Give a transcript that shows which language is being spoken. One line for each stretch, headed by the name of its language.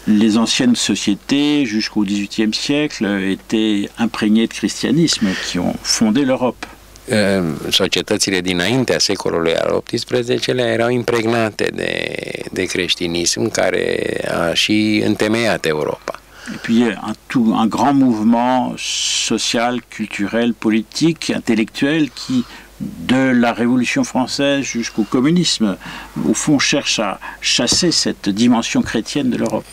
French: Les anciennes sociétés jusqu'au 18e siècle étaient imprégnées de christianisme qui ont fondé l'Europe.
Romanian: Societățile dinaintea secolului al XVIII-lea erau impregnate de creștinism care a și întemeiat Europa.
French: Et puis un grand mouvement social, culturel, politique, intellectuel qui de la Révolution française jusqu'au communisme, au fond, cherche à chasser cette dimension chrétienne de l'Europe.